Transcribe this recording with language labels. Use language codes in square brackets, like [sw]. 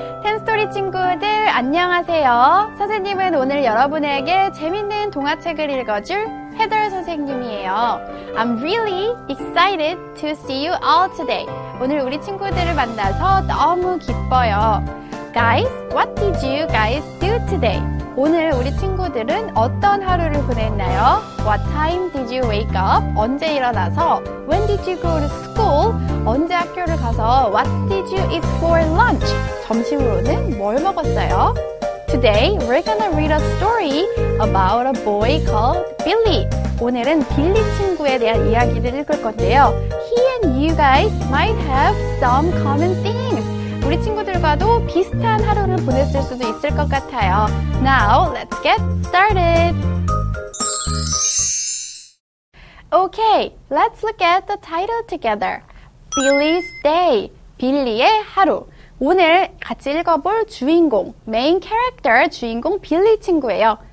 [ko] 텐스토리 친구들, 안녕하세요. 선생님은 오늘 여러분에게 재밌는 동화책을 읽어줄 헤더 선생님이에요. [en] I'm really excited to see you all today. [ko] 오늘 우리 친구들을 만나서 너무 기뻐요. [en] Guys, what did you guys do today? [ko] 오늘 우리 친구들은 어떤 하루를 보냈나요? [en] What time did you wake up? [ko] 언제 일어나서? [en] When did you go to school? [ko] 언제 학교를 가서? [en] What did you eat for lunch? [ko] 점심으로는 뭘 먹었어요? [en] Today we're gonna read a story about a boy called Billy. [ko] 오늘은 빌리 친구에 대한 이야기를 읽을 건데요. [en] He and you guys might have some common things. [ko] 우리 친구들과도 비슷한 하루를 보냈을 수도 있을 것 같아요. [en] Now, let's get started. Okay, let's look at the title together. Billy's Day. [ko] 빌리의 하루. 오늘 같이 읽어볼 주인공, main character, 주인공 빌리 친구예요.